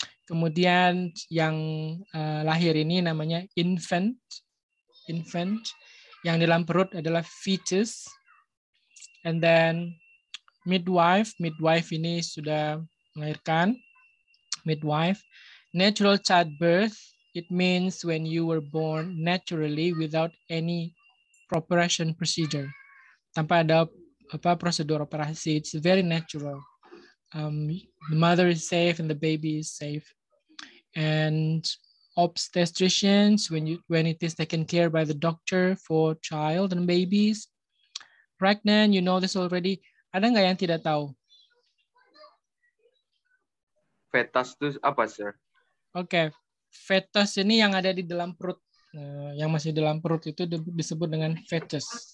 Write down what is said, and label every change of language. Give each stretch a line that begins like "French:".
Indonesian: Kemudian yang lahir ini namanya infant, yang dalam perut adalah fetus,
English: and then
Indonesian: midwife ini sudah melahirkan, midwife.
English: Natural childbirth, it means when you were born naturally without any preparation procedure.
Indonesian: Tanpa ada apa prosedur operasi.
English: It's very natural. The mother is safe and the baby is safe. And obstetricians, when it is taken care by the doctor for child and babies. Pregnant, you know this already.
Indonesian: Ada nggak yang tidak tahu? Fetus itu apa, sir?
English: Okay.
Indonesian: Fetus ini yang ada di dalam perut, yang masih dalam perut itu disebut dengan fetus.